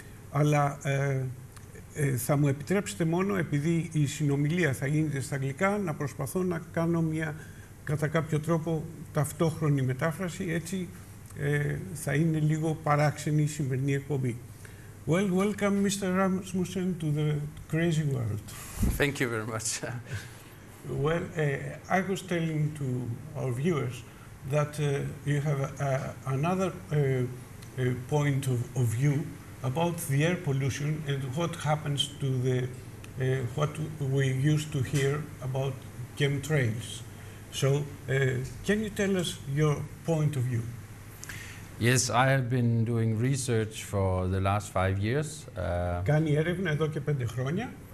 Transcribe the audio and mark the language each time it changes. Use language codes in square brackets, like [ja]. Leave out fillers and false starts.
[el] Αλλά θα μου επιτρέψετε μόνο, επειδή η συνομιλία θα γίνεται στα αγγλικά, να προσπαθώ να κάνω μια, κατά κάποιο τρόπο, ταυτόχρονη μετάφραση. Έτσι θα είναι λίγο παράξενη η σημερινή εκπομπή. [en] Well, welcome, Mr. Ράσμουσεν, to the crazy world. Thank you very much. Well, I was telling to our viewers that you have another point of view about the air pollution and what happens to the what we used to hear about chemtrails. So, can you tell us your point of view? Yes, I have been doing research for the last 5 years. [el] Κάνει έρευνα εδώ και 5 χρόνια.